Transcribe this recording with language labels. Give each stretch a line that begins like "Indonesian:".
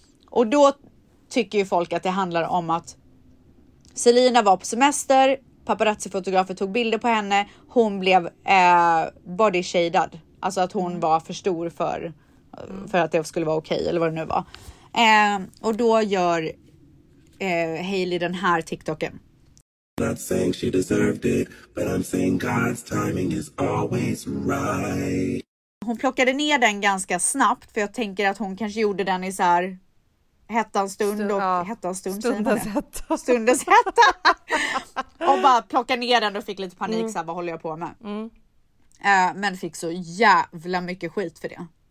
Swedish: Och då tycker ju folk att det handlar om att Selena var på semester, paparazzi-fotografer tog bilder på henne, hon blev body shaded, alltså att hon var för stor för att det skulle vara okej, eller vad det nu var. Och då gör Hailey den här TikToken.
English: Not saying she deserved it, but I'm saying God's timing is always right.
Swedish: Hon plockade ner den ganska snabbt, för jag tänker att hon kanske gjorde den i så här hettans stund och stundens hetta. Och bara plockade ner den och fick lite panik, så här, vad håller jag på med? Men fick så jävla mycket skit för det.